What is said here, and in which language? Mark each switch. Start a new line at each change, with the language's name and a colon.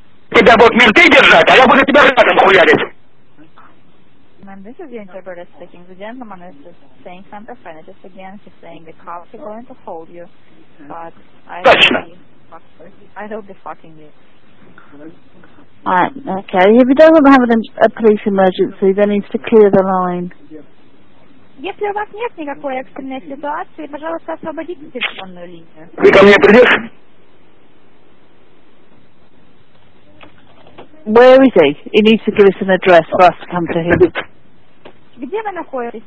Russian: Тебя будут менты держать, а я буду тебя рядом хуярить.
English: Man, this is the interpreter speaking. The gentleman is just saying some profanities again. He's saying the cops are going to hold you. But I will be fucking you. Alright, okay. If he doesn't have a police emergency, then he needs to clear the line.
Russian: Если у вас нет никакой экстренной ситуации, пожалуйста, освободите телефонную линию. Ты ко мне придешь?
English: Where is he? He needs to give us an address for us to come to him.
Russian: Где вы находитесь?